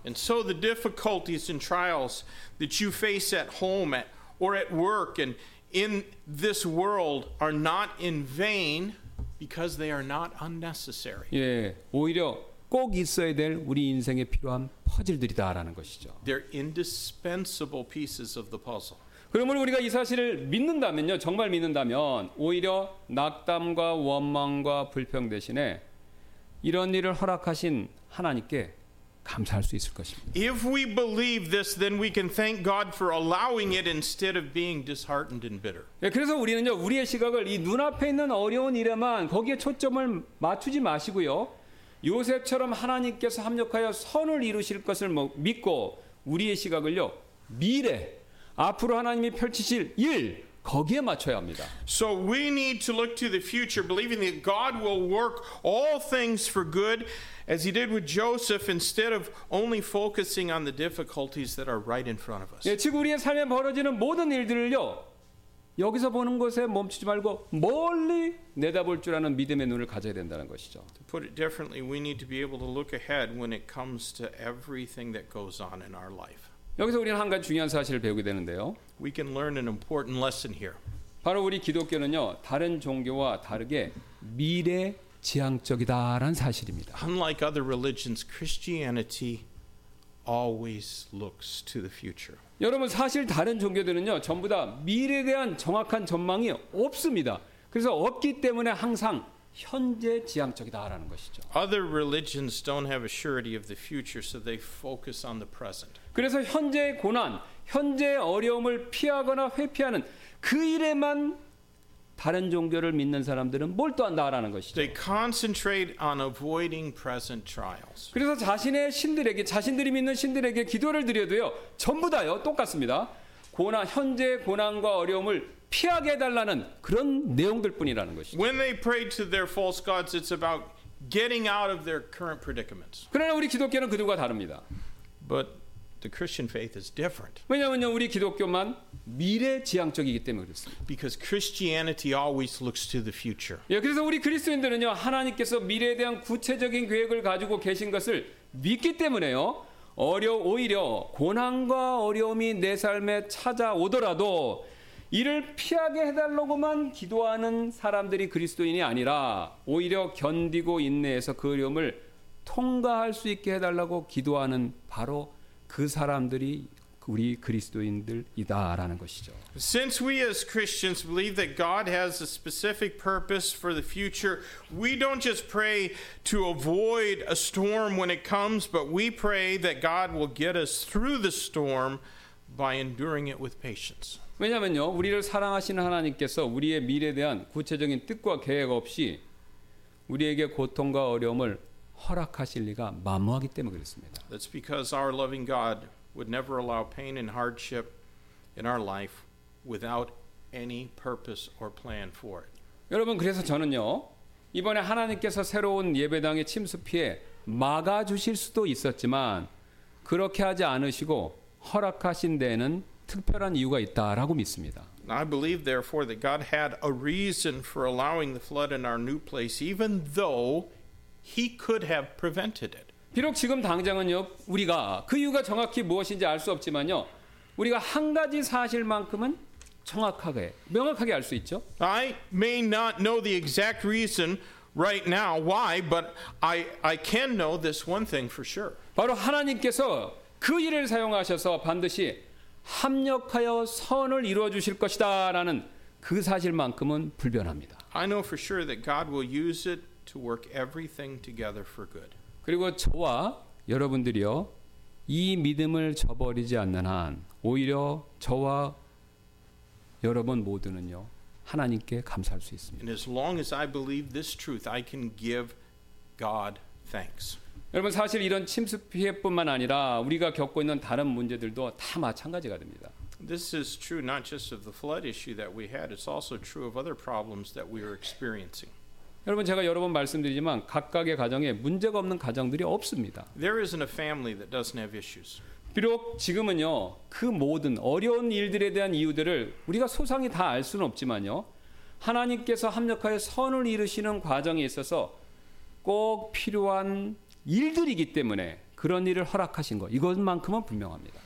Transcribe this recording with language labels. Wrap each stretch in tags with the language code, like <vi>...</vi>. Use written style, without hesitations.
<en>And so the difficulties and trials that you face at home or at work and in this world are not in vain because they are not unnecessary.</en> <ko>예, 오히려 꼭 있어야 될 우리 인생에 필요한 퍼즐들이다라는 것이죠.</ko> <en>They're indispensable pieces of the puzzle.</en> <ko>그러므로 우리가 이 사실을 믿는다면요, 정말 믿는다면 오히려 낙담과 원망과 불평 대신에 이런 일을 허락하신 하나님께 감사할 수 있을 것입니다.</ko> <en>If we believe this, then we can thank God for allowing it instead of being disheartened and bitter.</en> <ko>예, 그래서 우리는요, 우리의 시각을 이 눈앞에 있는 어려운 일에만 거기에 초점을 맞추지 마시고요. 요셉처럼 하나님께서 합력하여 선을 이루실 것을 믿고 우리의 시각을요, 미래, 앞으로 하나님이 펼치실 일, 거기에 맞춰야 합니다.</ko> <en>So we need to look to the future, believing that God will work all things for good, as he did with Joseph, instead of only focusing on the difficulties that are right in front of us.</en> <ko>예, 지금 우리의 삶에 벌어지는 모든 일들을요, 여기서 보는 것에 멈추지 말고 멀리 내다볼 줄 아는 믿음의 눈을 가져야 된다는 것이죠.</ko> <en>To put it differently, we need to be able to look ahead when it comes to everything that goes on in our life.</en> <ko>여기서 우리는 한 가지 중요한 사실을 배우게 되는데요.</ko> <en>We can learn an important lesson here.</en> <ko>바로 우리 기독교는요, 다른 종교와 다르게 미래 지향적이다라는 사실입니다.</ko> <en>Unlike other religions, Christianity always looks to the future.</en> <ko>여러분 사실 다른 종교들은요 전부 다 미래에 대한 정확한 전망이 없습니다. 그래서 없기 때문에 항상 현재 지향적이다라는 것이죠.</ko> <en>Other religions don't have a surety of the future, so they focus on the present.</en> <ko>그래서 현재의 고난, 현재의 어려움을 피하거나 회피하는 그 일에만 다른 종교를 믿는 사람들은 몰두한다라는 것이죠.</ko> <en>They concentrate on avoiding present trials.</en> <ko>그래서 자신의 신들에게 자신들이 믿는 신들에게 기도를 드려도요. 전부 다요. 똑같습니다. 고난 현재의 고난과 어려움을 피하게 해 달라는 그런 내용들뿐이라는 것이죠.</ko> <en>When they pray to their false gods, it's about getting out of their current predicaments.</en> <ko>그러나 우리 기독교는 그들과 다릅니다.</ko> <en>But the Christian faith is different.</en> <ko>왜냐하면 우리 기독교만 미래 지향적이기 때문에 그렇습니다.</ko> <en>Because Christianity always looks to the future.</en> <ko>예, 그래서 우리 그리스도인들은요 하나님께서 미래에 대한 구체적인 계획을 가지고 계신 것을 믿기 때문에요 오히려 고난과 어려움이 내 삶에 찾아오더라도 이를 피하게 해달라고만 기도하는 사람들이 그리스도인이 아니라 오히려 견디고 인내해서 그 어려움을 통과할 수 있게 해달라고 기도하는 바로 그 사람들이 우리 그리스도인들이다라는 것이죠.</ko> <en>Since we as Christians believe that God has a specific purpose for the future, we don't just pray to avoid a storm when it comes, but we pray that God will get us through the storm by enduring it with patience.</en> <ko>왜냐면요, 우리를 사랑하시는 하나님께서 우리의 미래에 대한 구체적인 뜻과 계획 없이 우리에게 고통과 어려움을 허락하실 리가 마무하기 때문에 그렇습니다.</ko> <en>That's because our loving God would never allow pain and hardship in our life without any purpose or plan for it.</en> <ko>여러분 그래서 저는요 이번에 하나님께서 새로운 예배당의 침수 피해 막아주실 수도 있었지만 그렇게 하지 않으시고 허락하신 데에는 특별한 이유가 있다라고 믿습니다.</ko> <en>I believe therefore that God had a reason for allowing the flood in our new place even though he could have prevented it.</en> <ko>비록 지금 당장은요 우리가 그 이유가 정확히 무엇인지 알 수 없지만요 우리가 한 가지 사실만큼은 정확하게 명확하게 알 수 있죠.</ko> <en>I may not know the exact reason right now why but I can know this one thing for sure.</en> <ko>바로 하나님께서 그 일을 사용하셔서 반드시 합력하여 선을 이루어 주실 것이다라는 그 사실만큼은 불변합니다.</ko> <en>I know for sure that God will use it to work everything together for good.</en> <ko>그리고 저와 여러분들이요 이 믿음을 저버리지 않는 한 오히려 저와 여러분 모두는요 하나님께 감사할 수 있습니다.</ko> <en>And as long as I believe this truth, I can give God thanks.</en> <ko>여러분 사실 이런 침수 피해뿐만 아니라 우리가 겪고 있는 다른 문제들도 다 마찬가지가 됩니다.</ko> <en>This is true not just of the flood issue that we had, it's also true of other problems that we are experiencing.</en> <ko>여러분 제가 여러 번 말씀드리지만 각각의 가정에 문제가 없는 가정들이 없습니다.</ko> <en>There isn't a family that doesn't have issues.</en> <ko>비록 지금은요 그 모든 어려운 일들에 대한 이유들을 우리가 소상히 다 알 수는 없지만요 하나님께서 합력하여 선을 이루시는 과정에 있어서 꼭 필요한 일들이기 때문에 그런 일을 허락하신 것 이것만큼은 분명합니다.</ko>